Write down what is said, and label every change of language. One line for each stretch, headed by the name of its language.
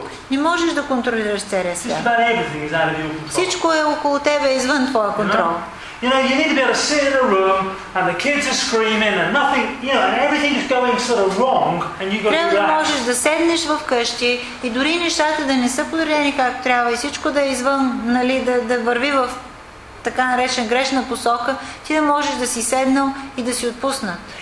Bulgarian: Не можеш да контролираш целия свят. Всичко е около тебе, извън твоя контрол.
English: You know, you need to be able to sit in a room and the kids are screaming and nothing, you know, and everything is going sort of wrong and you got to relax.
Bulgarian: Можеш да седнеш вкъщи и дори нещата да не са подредени както трябва и всичко да е извън, нали, да върви в така наречена грешна посока, ти да можеш да си седнал и да си отпусна.